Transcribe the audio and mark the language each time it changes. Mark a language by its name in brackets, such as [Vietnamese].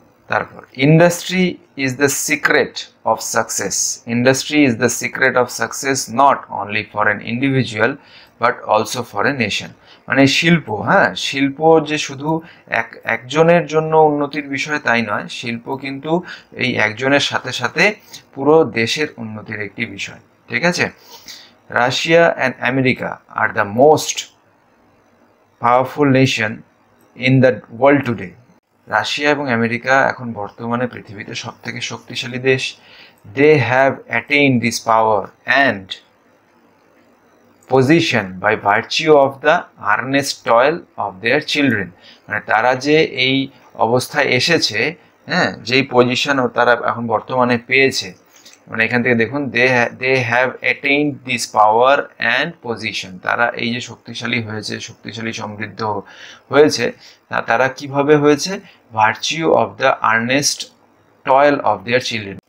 [English] তারপর industry is the secret of success, industry is the secret of success not only for an individual but also for a nation. [Bangla] মানে শিল্প, হ্যাঁ, শিল্প যে শুধু এক একজনের জন্য উন্নতির বিষয় তাই নয়, শিল্প কিন্তু এই একজনের সাথে সাথে পুরো দেশের উন্নতির একটি বিষয়, ঠিক আছে। [English] Russia and America are the most powerful nation in the world today. [Bangla] Russia এবং আমেরিকা এখন বর্তমানে পৃথিবীতে সব থেকে শক্তিশালী দেশ। [English] They have attained this power and position by virtue of the earnest toil of their children. [Bangla] মানে তারা যে এই অবস্থায় এসেছে, হ্যাঁ, যেই পজিশন তারা এখন বর্তমানে পেয়েছে, মানে এখান থেকে দেখুন [English] they have attain this power and position, [Bangla] তারা এই যে শক্তিশালী হয়েছে, শক্তিশালী সমৃদ্ধ হয়েছে, তা তারা কিভাবে হয়েছে, [English] Virtue of the earnest toil of their children.